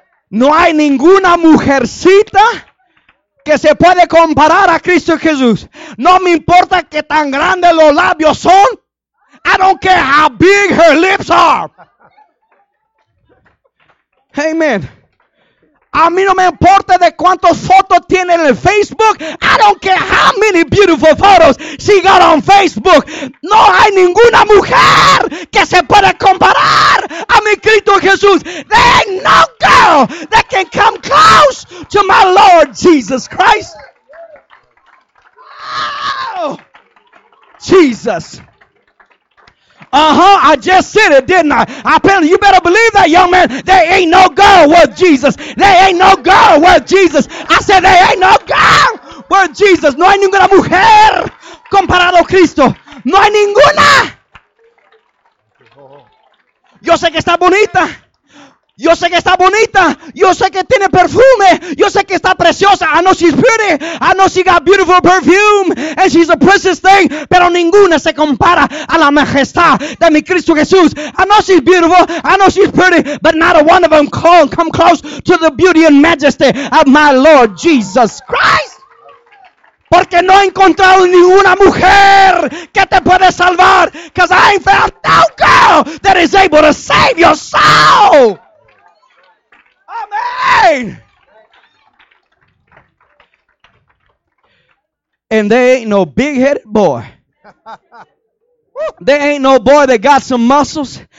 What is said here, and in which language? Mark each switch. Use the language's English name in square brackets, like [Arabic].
[Spanish] No hay ninguna mujercita que se puede comparar a Cristo Jesús. No me importa que tan grandes los labios son. [English] I don't care how big her lips are. Amen. [Spanish] A mí no me importa de cuántas fotos tiene en el Facebook. [English] I don't care how many beautiful photos she got on Facebook. [Spanish] No hay ninguna mujer que se pueda comparar a mi Cristo Jesús. [English] There ain't no girl that can come close to my Lord Jesus Christ. Oh, Jesus. I just said it, didn't I? Apparently, you better believe that, young man. There ain't no girl worth Jesus. There ain't no girl worth Jesus. I said there ain't no girl worth Jesus. [Spanish] No hay ninguna mujer comparado a Cristo. No hay ninguna. Yo sé que está bonita. Yo sé que está bonita. Yo sé que tiene perfume. Yo sé que está preciosa. [English] I know she's pretty. I know she got beautiful perfume. And she's a precious thing. [Spanish] Pero ninguna se compara a la majestad de mi Cristo Jesús. [English] I know she's beautiful. I know she's pretty. But not a one of them come close to the beauty and majesty of my Lord Jesus Christ. [Spanish] Porque no he encontrado ninguna mujer que te puede salvar. [English] Because I ain't found no girl that is able to save your soul. Amen. And there ain't no big headed boy. There ain't no boy that got some muscles.